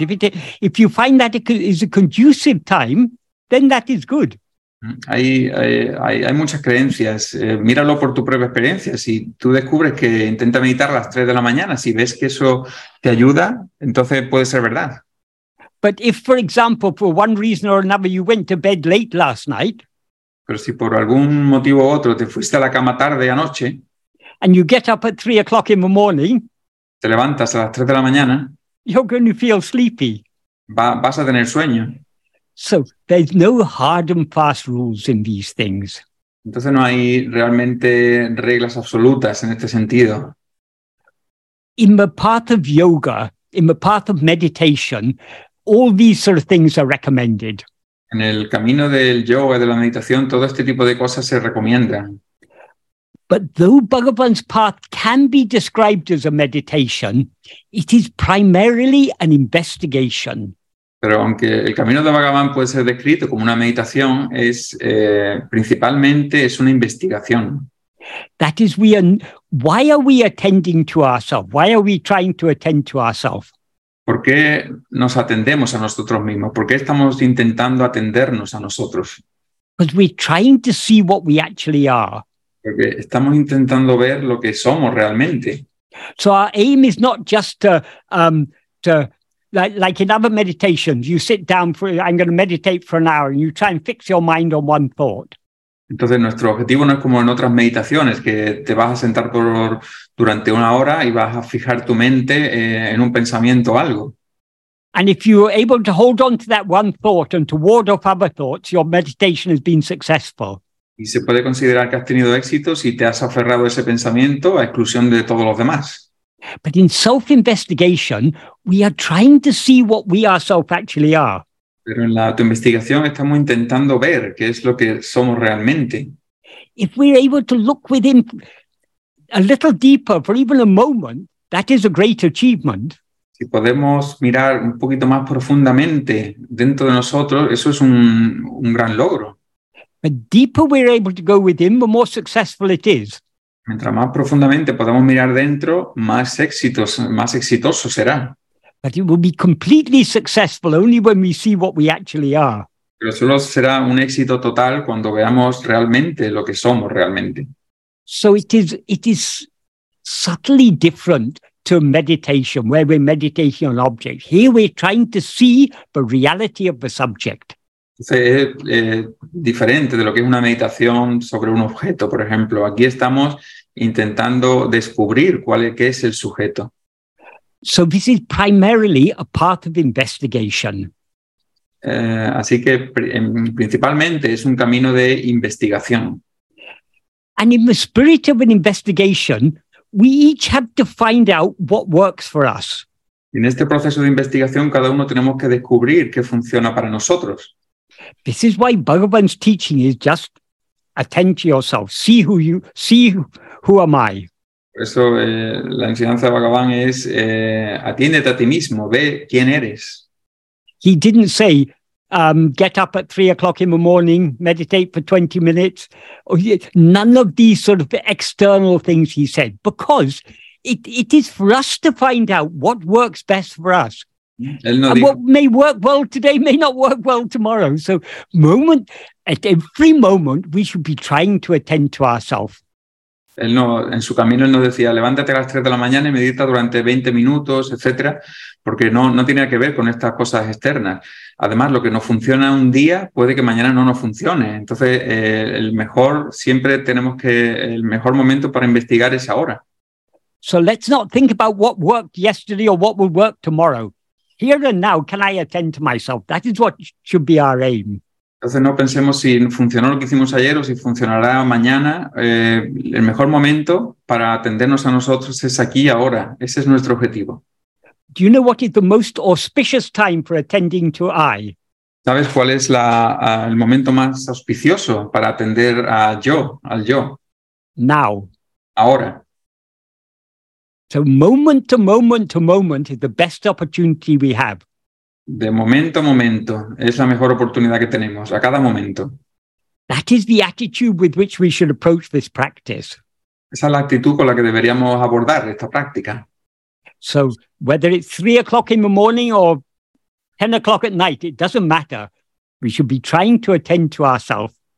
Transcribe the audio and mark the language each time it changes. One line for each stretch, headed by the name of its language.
English: If you find that it is a conducive time, then that is good.
Spanish: Hay muchas creencias. Míralo por tu propia experiencia. Si tú descubres que intenta meditar a las 3 de la mañana, si ves que eso te ayuda, entonces puede ser verdad.
English: But if, for example, for one reason or another, you went to bed late last night.
Spanish: Pero si por algún motivo u otro te fuiste a la cama tarde anoche.
English: And you get up at 3 o'clock in the morning.
Spanish: Te levantas a las 3 de la mañana.
English: You're going to feel sleepy.
Spanish: Vas a tener sueño.
English: So there's no hard and fast rules in these things.
Spanish: Entonces no hay realmente reglas absolutas en este sentido.
English: In the path of yoga, in the path of meditation, all these sort of things are recommended.
Spanish: En el camino del yoga, de la meditación, todo este tipo de cosas se recomiendan.
English: But though Bhagavan's path can be described as a meditation, it is primarily an investigation.
Spanish: Pero aunque el camino de Bhagavan puede ser descrito como una meditación, es principalmente es una investigación.
English: That is, why are we attending to ourselves? Why are we trying to attend to ourselves?
Spanish: ¿Por qué nos atendemos a nosotros mismos? ¿Por qué estamos intentando atendernos a nosotros?
English: Because we're trying to see what we actually are.
Spanish: Porque estamos intentando ver lo que somos realmente.
English: So our aim is not just to like in other meditations, you sit down for, I'm going to meditate for an hour, and you try and fix your mind on one thought.
Spanish: Entonces, nuestro objetivo no es como en otras meditaciones, que te vas a sentar durante una hora y vas a fijar tu mente en un pensamiento o algo.
English: And if you are able to hold on to that one thought and to ward off other thoughts, your meditation has been successful.
Spanish: Y se puede considerar que has tenido éxito si te has aferrado a ese pensamiento a exclusión de todos los demás.
English: But in self-investigation, we are trying to see what we ourselves actually are.
Spanish: Pero en la autoinvestigación estamos intentando ver qué es lo que somos realmente.
English: If we're able to look within a little deeper for even a moment, that is a great achievement.
Spanish: Si podemos mirar un poquito más profundamente dentro de nosotros, eso es un gran logro.
English: The deeper we're able to go within, the more successful it is.
Spanish: Mientras más profundamente podamos mirar dentro, más exitoso será.
English: But it will be completely successful only when we see what we actually are.
Spanish: Pero solo será un éxito total cuando veamos realmente lo que somos realmente.
English: So it is subtly different to meditation, where we're meditating on objects. Here we're trying to see the reality of the subject.
Spanish: Es diferente de lo que es una meditación sobre un objeto, por ejemplo. Aquí estamos intentando descubrir qué es el sujeto.
English: So this is primarily a path of investigation.
Spanish: Así que principalmente es un camino de investigación.
English: And in the spirit of an investigation, we each have to find out what works for us.
Spanish: En este proceso de investigación, cada uno tenemos que descubrir qué funciona para nosotros.
English: This is why Bhagavan's teaching is just attend to yourself, see who am I.
Spanish: Eso, la enseñanza de Bhagavan es atiéndete a ti mismo, ve quién eres.
English: He didn't say get up at 3 o'clock in the morning, meditate for 20 minutes. None of these sort of external things he said, because it is for us to find out what works best for us. And what may work well today may not work well tomorrow. So at every moment, we should be trying to attend to ourselves.
Spanish: En su camino él nos decía, levántate a las 3 de la mañana y medita durante 20 minutos, etcétera, porque no tiene que ver con estas cosas externas. Además, lo que no funciona un día puede que mañana no nos funcione. Entonces, el mejor momento para investigar es ahora.
English: So let's not think about what worked yesterday or what will work tomorrow. Here and now, can I attend to myself? That is what should be our aim.
Spanish: Entonces no pensemos si funcionó lo que hicimos ayer o si funcionará mañana. El mejor momento para atendernos a nosotros es aquí y ahora. Ese es nuestro objetivo.
English: Do you know what is the most auspicious time for attending to I?
Spanish: ¿Sabes cuál es el momento más auspicioso para atender a yo, al yo?
English: Now.
Spanish: Ahora.
English: So moment to moment to moment is the best opportunity we have.
Spanish: De momento a momento es la mejor oportunidad que tenemos, a cada momento.
English: That is the attitude with which we should approach this practice.
Spanish: Esa es la actitud con la que deberíamos abordar esta práctica.
English: So whether it's 3 o'clock in the morning or 10 o'clock at night, it doesn't matter. We should be trying to attend to ourselves.